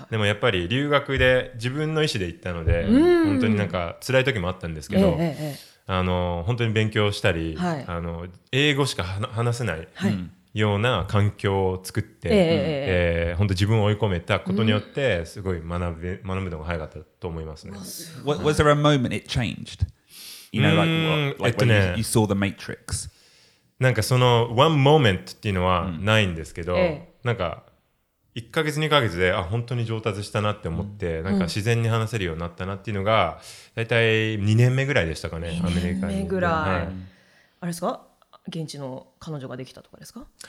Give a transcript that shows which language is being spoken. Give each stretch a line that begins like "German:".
Japanese: でもやっぱり留学で自分の意思で行ったので、本当になんか辛い時もあったんですけど、本当に勉強したり、はい、英語しか話せない、はい、ような環境を作って、本当自分を追い込めたことによってすごい学ぶのが早かったと思いますね。
English: Was there a moment it changed? You know, like when you saw the Matrix?
Japanese: なんかその
English: one moment
Japanese: っていうのはないんですけど、なんか 1ヶ月2ヶ月で、あ、本当に上達したなって思って、うん、なんか自然に話せるようになったなっていうのが、だいたい2年目ぐらいでしたかね、アメリカに。 2年目ぐらい、はい、あれですか、現地の彼女ができたとかですか